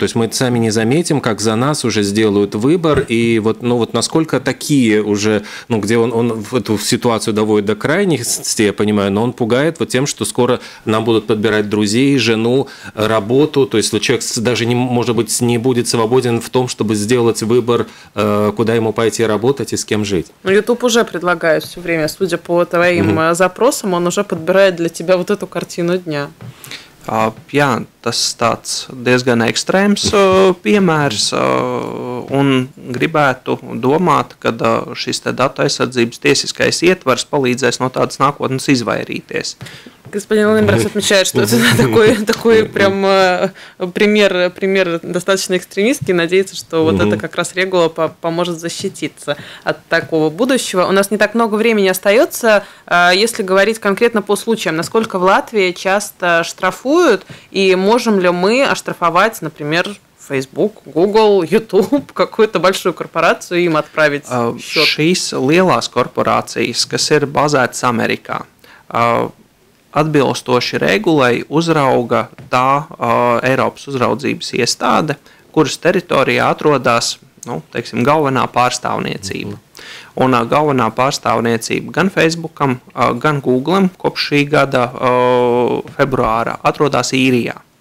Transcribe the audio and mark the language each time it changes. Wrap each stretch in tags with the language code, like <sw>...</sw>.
<ru>То есть мы сами не заметим, как за нас уже сделают выбор, и вот, ну вот насколько такие уже, ну где он эту ситуацию доводит до крайности, я понимаю, но он пугает вот тем, что скоро нам будут подбирать друзей, жену, работу, то есть человек даже, не, может быть, не будет свободен в том, чтобы сделать выбор, куда ему пойти работать и с кем жить. Ну, YouTube уже предлагает все время, судя по твоим запросам, он уже подбирает для тебя вот эту картину дня. Jā, tas tāds diezgan ekstrēms piemērs, un gribētu domāt, ka šis te datu aizsardzības tiesiskais ietvars palīdzēs no tādas nākotnes izvairīties. Господин Лембрас отмечает, что это такой прям пример достаточно экстремистский. Надеется, что вот это как раз регула поможет защититься от такого будущего. У нас не так много времени остается, если говорить конкретно по случаям. Насколько в Латвии часто штрафуют, и можем ли мы оштрафовать, например, Facebook, Google, YouTube, какую-то большую корпорацию им отправить счет? Шис лилас корпорации, скасир базается Америка.</ru> <lv>Atbilstoši regulai uzrauga tā Eiropas uzraudzības iestāde, kuras teritorijā atrodas, nu, teiksim, galvenā pārstāvniecība. Un galvenā pārstāvniecība gan Facebookam, gan Googlem kopš šī gada februāra atrodas Īrijā.</lv>